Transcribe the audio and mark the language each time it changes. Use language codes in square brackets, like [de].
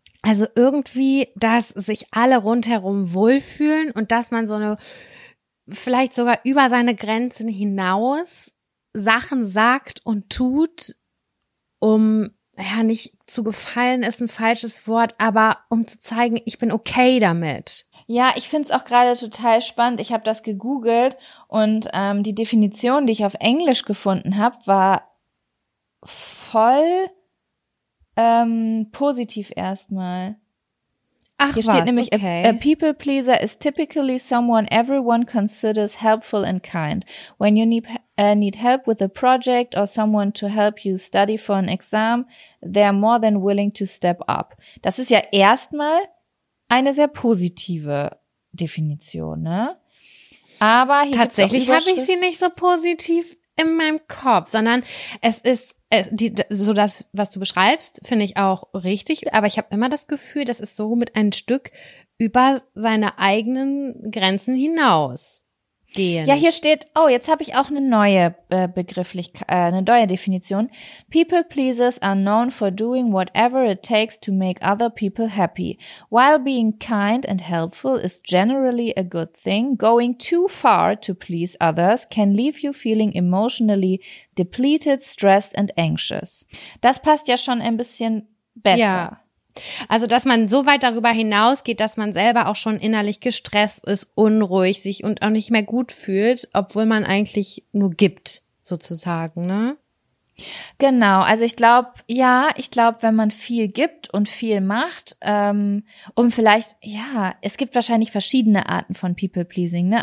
[de] Also irgendwie, dass sich alle rundherum wohlfühlen und dass man so eine, vielleicht sogar über seine Grenzen hinaus Sachen sagt und tut, um, ja, nicht zu gefallen ist ein falsches Wort, aber um zu zeigen, ich bin okay damit. Ja, ich finde es auch gerade total spannend. Ich habe das gegoogelt und die Definition, die ich auf Englisch gefunden habe, war voll positiv erstmal. Ach, hier was? Steht nämlich, okay. [en] A people pleaser is typically someone everyone considers helpful and kind. When you need help with a project or someone to help you study for an exam, they're more than willing to step up. [de] Das ist ja erstmal eine sehr positive Definition, ne? Aber hier tatsächlich habe ich sie nicht so positiv in meinem Kopf, sondern es ist so das, was du beschreibst, finde ich auch richtig. Aber ich habe immer das Gefühl, das ist so mit ein Stück über seine eigenen Grenzen hinaus gehen. Ja, hier steht, oh, jetzt habe ich auch eine neue Begrifflichkeit, eine neue Definition. [en] People pleasers are known for doing whatever it takes to make other people happy. While being kind and helpful is generally a good thing, going too far to please others can leave you feeling emotionally depleted, stressed and anxious. [de] Das passt ja schon ein bisschen besser. Ja. Also, dass man so weit darüber hinausgeht, dass man selber auch schon innerlich gestresst ist, unruhig sich und auch nicht mehr gut fühlt, obwohl man eigentlich nur gibt, sozusagen, ne? Genau, also ich glaube, ja, ich glaube, wenn man viel gibt und viel macht, um vielleicht, ja, es gibt wahrscheinlich verschiedene Arten von People-Pleasing, ne?